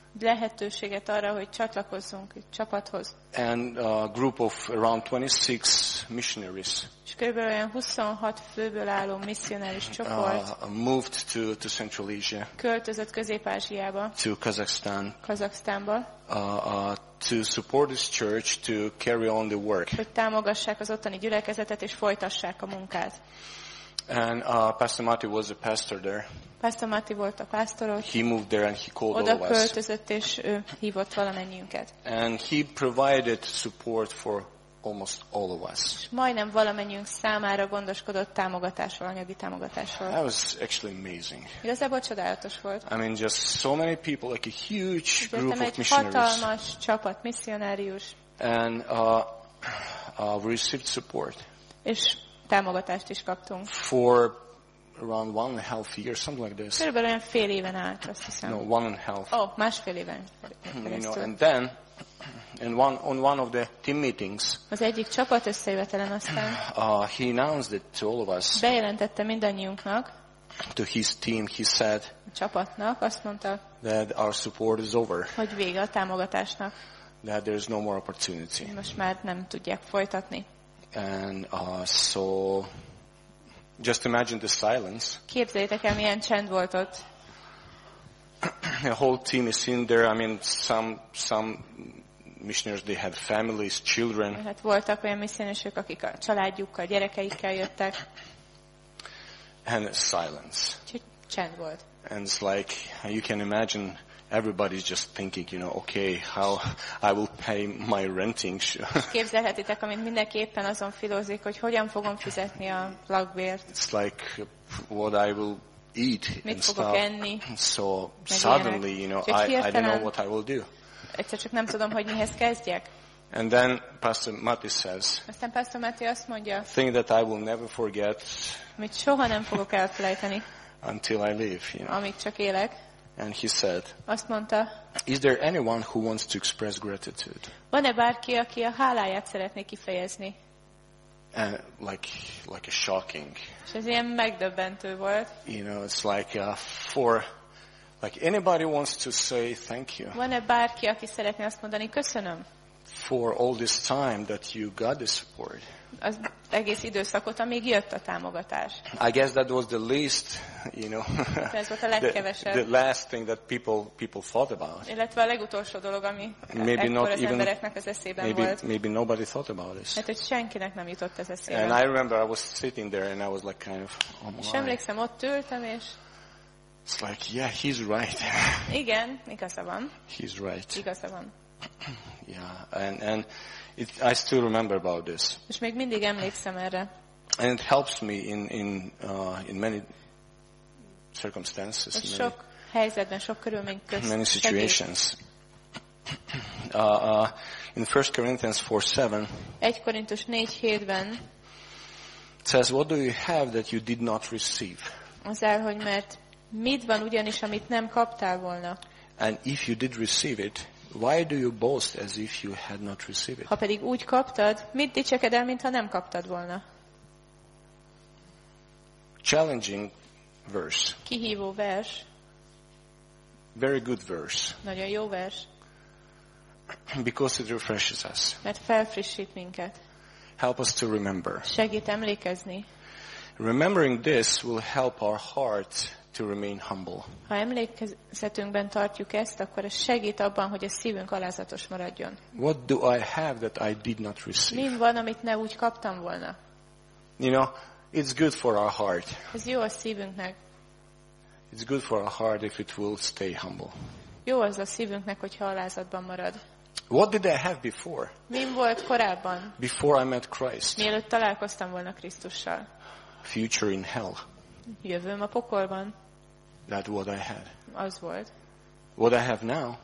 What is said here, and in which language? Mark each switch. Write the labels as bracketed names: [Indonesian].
[Hungarian] lehetőséget arra, hogy csatlakozzunk egy csapathoz. [English] And a group of around 26 missionaries. [Hungarian] És körülbelül olyan 26 főből álló missionáris csoport. [English] Moved to Central Asia. [Hungarian] Költözött Közép-Ázsiába. [English] To Kazakhstan. [Hungarian] Kazakhstánba. [English] To support this church to carry on the work. [Hungarian] Hogy támogassák az ottani gyülekezetet és folytassák a munkát. [English] And Pastor Mati was a pastor there. [Hungarian] Pastor Mati volt a pastor. [English] He moved there and he called [Hungarian] oda [English] all of us. [Hungarian] Költözött és hívott valamennyünket. [English] And he provided support for almost all of us. [Hungarian] Majdnem valamennyünk számára gondoskodott támogatásról, anyagi támogatásról. [English] That was actually amazing. [Hungarian] Igazából csodálatos volt. [English] I mean, just so many people, like a huge group of missionaries. [Hungarian] Hatalmas csapat misszionárius. [English] And we received support. [Hungarian] És támogatást is kaptunk. [English] For around 1.5 years, something like this. [Hungarian] Körülbelül olyan fél éven át, azt hiszem. [English] No, 1.5. [Hungarian] Oh, másfél éven. [English] And then, on one of the team meetings. [Hungarian] Az egyik csapat összejövetelen aztán. [English] He announced it to all of us. [Hungarian] Bejelentette mindannyiunknak. [English] To his team, he said. [Hungarian] A csapatnak azt mondta. [English] That our support is over. [Hungarian] Hogy vége a támogatásnak. [English] That there is no more opportunity. [Hungarian] Most már nem tudják folytatni. [English] And so just imagine the silence. [Hungarian] Képzeljétek el, milyen csend volt ott. [English] The whole team is in there. I mean, some missionaries, they had families, children. [Hungarian] Hát voltak olyan missionárisok, akik a családjukkal, gyerekeikkel jöttek. [English] And silence. [Hungarian] Csend volt. [English] And it's like you can imagine everybody's just thinking, you know, okay, how I will pay my renting. [Hungarian] Képzelhetitek, amint mindenki éppen azon filózik, hogy hogyan fogom fizetni a lakbért. [English] It's like what I will eat. [Hungarian] Mit [English] and [Hungarian] fogok [English] stuff. [Hungarian] Enni? [English] So suddenly, you know, I don't know what I will do. [Hungarian] Egyszer csak nem tudom, hogy mihez kezdjek. [English] And then Pastor Matti says. [Hungarian] Aztán Pastor Matti azt mondja. [English] Thing that I will never forget. [Hungarian] Mit soha nem fogok elfelejteni. [English] Until I leave, you know. [Hungarian] Amíg csak élek. [English] And he said, [Hungarian] azt mondta, [English] is there anyone who wants to express gratitude? [Hungarian] Van-e bárki, aki a háláját szeretné kifejezni? [English] And like a shocking. [Hungarian] És ez ilyen megdöbbentő volt. [English] You know, it's like for like anybody wants to say thank you. [Hungarian] Van-e bárki, aki szeretné azt mondani köszönöm? [English] For all this time that you got the support. [Hungarian] Az egész időszakot, amíg jött a támogatás. [English] I guess that was the least, you know, the last thing that people thought about. [Hungarian] Illetve a legutolsó dolog, ami [English] maybe [Hungarian] ekkor [English] not [Hungarian] az [English] even, [Hungarian] embereknek az eszében [English] maybe, [Hungarian] volt. [English] Maybe nobody thought about this. [Hungarian] Hát, hogy senkinek nem jutott ez eszébe. [English] And I remember I was sitting there and I was like kind of, oh my. [Hungarian] És emlékszem, ott ültem, és [English] it's like, yeah, he's right. [Hungarian] Igen, igaza van. [English] He's right. [Hungarian] Igaza van. [English] Yeah, and it, I still remember about this. [Hungarian] És még mindig emlékszem erre. [English] And it helps me in many circumstances. [Hungarian] És sok helyzetben, sok körülmény között. [English] Many situations. In 1 Corinthians 4:7. [Hungarian] 1 Korintus 4:7-ben. [English] Says, what do you have that you did not receive? [Hungarian] Azzal, hogy mert mit van ugyanis, amit nem kaptál volna. [English] And if you did receive it. Why do you boast as if you had not received it? [Hungarian] Ha pedig úgy kaptad, mit dicséked el, mintha nem kaptad volna? [English] Challenging verse. [Hungarian] Kihívó vers. [English] Very good verse. [Hungarian] Nagyon jó vers. [English] Because it refreshes us. [Hungarian] Mert felfrissít minket. [English] Help us to remember. [Hungarian] Segít emlékezni. [English] Remembering this will help our heart to remain humble. [Hungarian] Ha emlékezetünkben tartjuk ezt, akkor ez segít abban, hogy a szívünk alázatos maradjon. [English] What do I have that I did not receive? [Hungarian] Mi van, amit ne úgy kaptam volna? [English] You know, it's good for our heart. [Hungarian] Ez jó a szívünknek. [English] It's good for our heart if it will stay humble. [Hungarian] Jó az a szívünknek, hogyha alázatban marad. [English] What did I have before? [Hungarian] Mi volt korábban? [English] Before I met Christ. [Hungarian] Mielőtt találkoztam volna Krisztussal. [English] Future in hell. [Hungarian] Jövőm a pokolban. [English] That what I had. [Hungarian] Az volt. [English] What I have now.